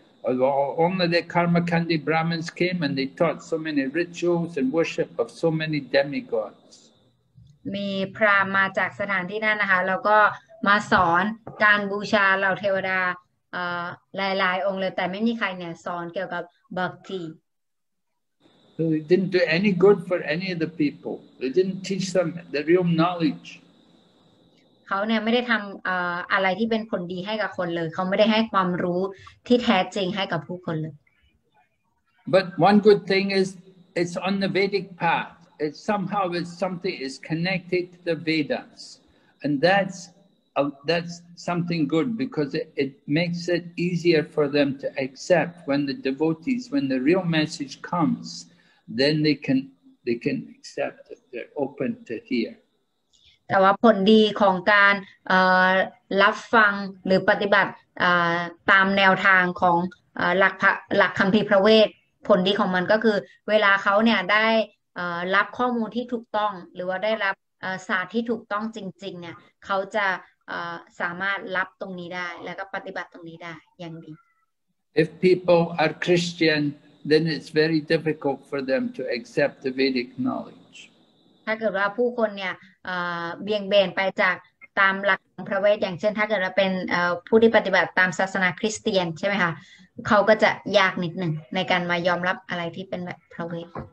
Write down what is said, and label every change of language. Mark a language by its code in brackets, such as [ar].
[en] Only the Karmakandi Brahmins came and they taught so many rituals and worship of so many demigods. [th] มีพราหมณ์มาจากสถานที่นั้นนะคะแล้วก็มาสอนการบูชาเหล่าเทวดาหลายๆองค์เลยแต่ไม่มีใครเนี่ยสอนเกี่ยวกับบักติ [en] So they didn't do any good for any of the people. They didn't teach them the real knowledge. [th] เขาเนี่ยไม่ได้ทำอะไรที่เป็นผลดีให้กับคนเลยเขาไม่ได้ให้ความรู้ที่แท้จริงให้กับผู้คนเลย [en] But one good thing is it's on the Vedic path. It's somehow it's something is connected to the Vedas. And that's that's something good, because it makes it easier for them to accept when the devotees, when the real message comes, then they can accept it. They're open to hear. [th] แต่ว่าผลดีของการรับฟังหรือปฏิบัติตามแนวทางของหลักคัมภีร์พระเวทผลดีของมันก็คือเวลาเขาเนี่ยได้รับข้อมูลที่ถูกต้องหรือว่าได้รับศาสตร์ที่ถูกต้องจริงๆเนี่ยเขาจะสามารถรับตรงนี้ได้แล้วก็ปฏิบัติตรงนี้ได้อย่างดี [en] If people are Christian then it's very difficult for them to accept the Vedic knowledge [th] ถ้าเกิดว่าผู้คนเนี่ยเบี่ยงเบนไปจากตามหลักของพระเวทอย่างเช่นถ้าเกิดว่าเป็นผู้ที่ปฏิบัติตามศาสนาคริสเตียนใช่ไหมคะเขาก็จะยากนิดหนึ่งในการมายอมรับอะไรที่เป็นแบบพระเวท